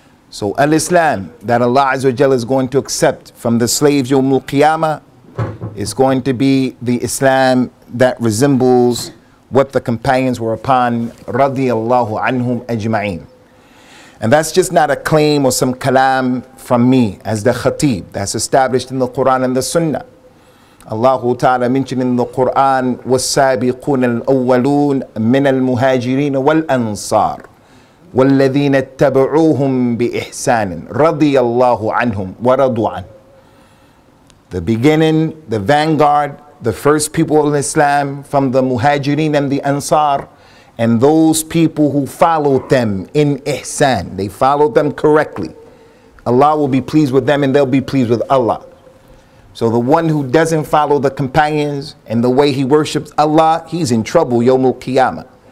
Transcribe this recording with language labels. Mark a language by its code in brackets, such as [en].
[en] So al-Islam that Allah Azza wa Jalla is going to accept from the slaves yawm al-qiyamah is going to be the Islam that resembles what the companions were upon, radiallahu anhum ajma'in. And that's just not a claim or some kalam from me as the khatib. That's established in the Quran and the Sunnah. Allah Ta'ala mentioned in the Quran, [ar] وَالسَّابِقُونَ الْأَوَّلُونَ مِنَ الْمُهَاجِرِينَ وَالْأَنصَارِ وَالَّذِينَ اتَّبَعُوهُمْ بِإِحْسَانٍ رَضِيَ اللَّهُ عَنْهُمْ وَرَضُوا عَنْهُ. [en] The beginning, the vanguard, the first people of Islam from the muhajirin and the ansar, and those people who followed them in ihsan, they followed them correctly. Allah will be pleased with them and they'll be pleased with Allah. So the one who doesn't follow the companions and the way he worships Allah, he's in trouble, yawm al-qiyamah.